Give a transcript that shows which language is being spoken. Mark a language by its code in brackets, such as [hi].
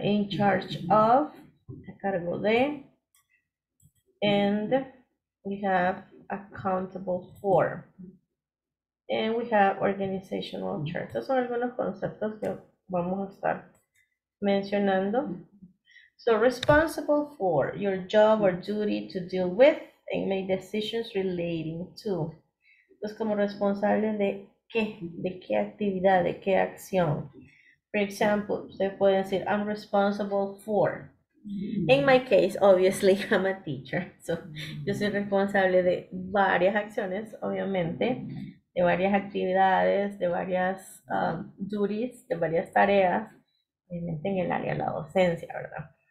[en] In charge of, [es] a cargo de. [en] And we have accountable for. And we have organizational charts. [es] Esos son algunos conceptos que vamos a estar mencionando. [en] So, responsible for your job or duty to deal with and make decisions relating to. [es] Entonces, como responsable de qué actividad, de qué acción. [en] For example, [es] ustedes pueden decir, [en] I'm responsible for. In my case, obviously, I'm a teacher. [es] So, yo soy responsable de varias acciones, obviamente, de varias actividades, de varias duties, de varias tareas, obviamente en el área de la docencia, ¿verdad?